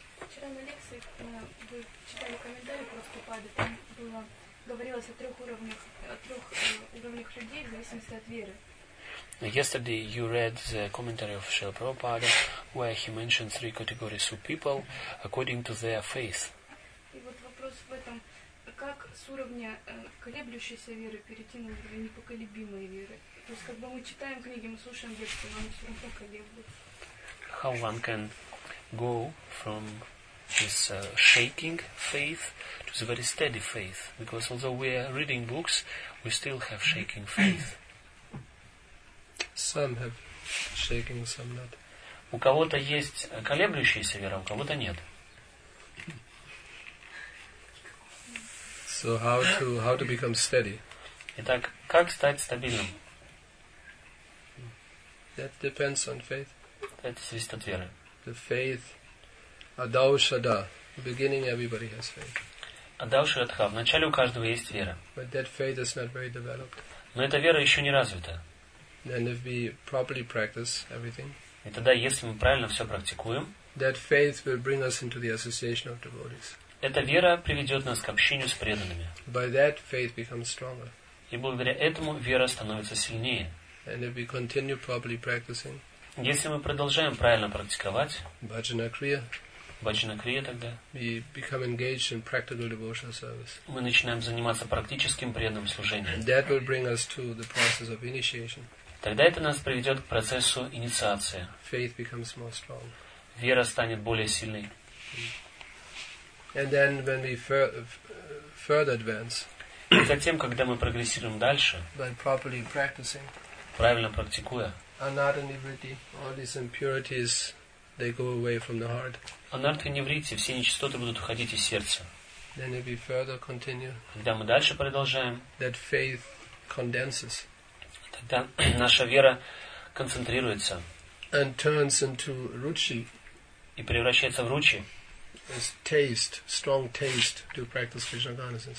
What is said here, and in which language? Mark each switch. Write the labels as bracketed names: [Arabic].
[Russian] Вчера на лекции вы читали комментарии про Прабхупады. Там было говорилось о трех уровнях людей в зависимости от веры. [English] Yesterday you read the commentary of Srila Prabhupada, where he mentioned three categories of people according to their faith. [Russian] И вот вопрос в этом: как с уровня колеблющейся веры перейти на уровень непоколебимой веры? То есть, как бы мы читаем книги, мы слушаем лекции, но они все равно колеблются. [English] How one can go from this shaking faith to the very steady faith? Because although we are reading books, we still have shaking faith. Some have shaking, some not. [Russian] У кого-то есть колеблющаяся вера, у кого-то нет. [English] So how to become steady? [Russian] Итак, как стать стабильным? [English] That depends on faith. [Russian] Это зависит от веры. [English] The faith, [Sanskrit] adau shada. [English] The beginning, everybody has faith. [Sanskrit] Adau shada. [Russian] В начале у каждого есть вера. [English] But that faith is not very developed. [Russian] Но эта вера еще не развита. [English] Then if we properly practice everything. [Russian] И тогда, если мы правильно все практикуем. [English] That faith will bring us into the association of devotees. [Russian] Эта вера приведет нас к общению с преданными. [English] By that faith becomes stronger. [Russian] И благодаря этому вера становится сильнее. [English] And if we continue properly practicing. [Russian] Если мы продолжаем правильно практиковать. [Sanskrit] Bhajana kriya [Russian] тогда. [English] We become engaged in practical devotional service. [Russian] Мы начинаем заниматься практическим преданным служением. [English] That will bring us to the process of initiation. [Russian] Тогда это нас приведет к процессу инициации. [English] Faith becomes more strong. [Russian] Вера станет более сильной. [English] And then when we further advance. [Russian] И затем, когда мы прогрессируем дальше. [English] By properly practicing. [Russian] Правильно практикуя. [English] Anartha nivritti, all these impurities, they go away from the heart. [Russian] Anartha nivritti, все нечистоты будут уходить из сердца. [English] Then if we further continue. [Russian] Когда мы дальше продолжаем. [English] That faith condenses. [Russian] Тогда наша вера концентрируется. [English] And turns into ruchi. [Russian] И превращается в ruchi. [English] As taste, strong taste to practice Krishna consciousness.